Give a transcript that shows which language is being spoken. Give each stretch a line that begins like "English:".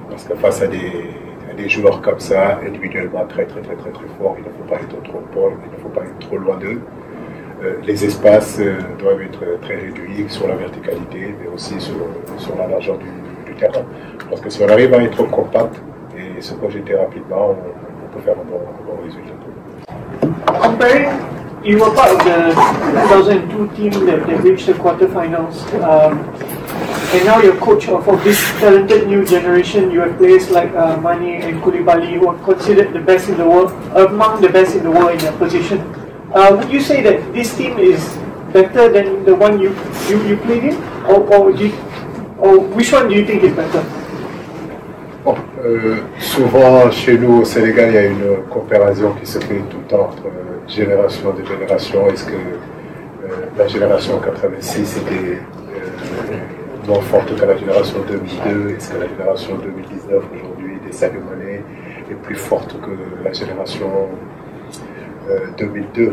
French: Parce que face à des joueurs comme ça, individuellement très très très très très forts, il ne faut pas être trop pauvre, il ne faut pas être trop loin d'eux. Les espaces doivent être très réduits sur la verticalité, mais aussi sur la largeur du terrain. Parce que si on arrive à être compact et se projeter rapidement,
English: comparing you were part of the 2002 team that they reached the quarterfinals, and now you're coach of this talented new generation. You have players like Mane and Koulibaly, who are considered the best in the world, among the best in the world in their position. Would you say that this team is better than the one you played in, or which one do you think is better? Oh,
French: Souvent, chez nous au Sénégal, il y a une coopération qui se fait tout le temps entre génération de génération. Est-ce que la génération 86 était moins forte que la génération 2002? Est-ce que la génération 2019 aujourd'hui des Sadio Mané est plus forte que la génération 2002?